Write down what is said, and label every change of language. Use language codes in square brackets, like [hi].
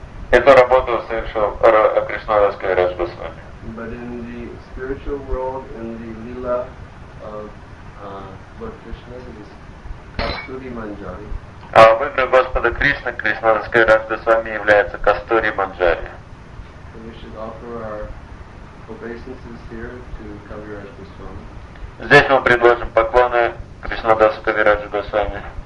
[ru] Эту работу совершил Кришнадас Кавираджа Госвами. [en] But in the spiritual world, in the lila of Lord Krishna, it is Kasturi Manjari. [ru] А в играх Господа Кришны Кришнадас Кавираджа Госвами является Кастури Манджари. [en] So we should offer our obeisances here to Kaviraj Goswami. [ru] Здесь мы предложим поклоны Кришнадас Кавираджа Госвами.